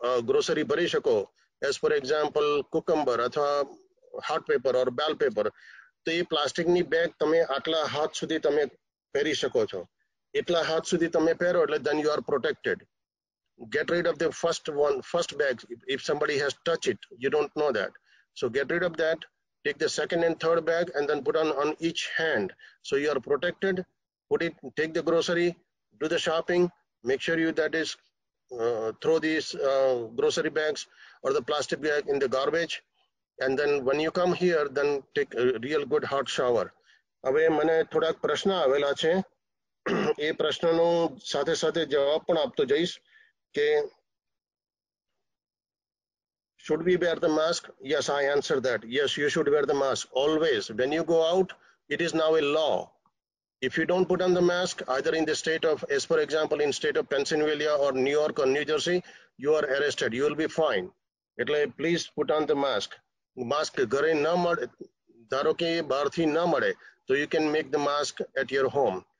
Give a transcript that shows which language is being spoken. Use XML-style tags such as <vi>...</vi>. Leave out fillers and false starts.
<gu>Grocery ભરી શકો as for example કુકમ્બર અથવા હાર્ટ પેપર ઓર બેલ પેપર તો એ પ્લાસ્ટિકની બેગ તમે આટલા હાથ સુધી તમે પહેરી શકો છો એટલા હાથ સુધી તમે પહેરો એટલે</gu> <en>Then you are protected get rid of the first one first bag if somebody has touch it you don't know that so get rid of that take the second and third bag and then put on each hand so you are protected put it take the grocery do the shopping, make sure you that is throw these grocery bags or the plastic bag in the garbage, and then when you come here, then take a real good hot shower.</en> <gu>હવે મને થોડાક પ્રશ્ન આવેલા છે, એ પ્રશ્નનો સાથે સાથે જવાબ પણ આપતો જઈશ કે</gu> <en>should we wear the mask? Yes, I answered that. Yes, you should wear the mask always. When you go out, it is now a law. If you don't put on the mask, either in the state of, as for example, in state of Pennsylvania or New York or New Jersey, you are arrested. You will be fined. એટલે please put on the mask.</en> <gu>Mask ઘરે ન મળે, ધારો કે બહારથી ન મળે, તો</gu> <en>You can make the mask at your home.</en>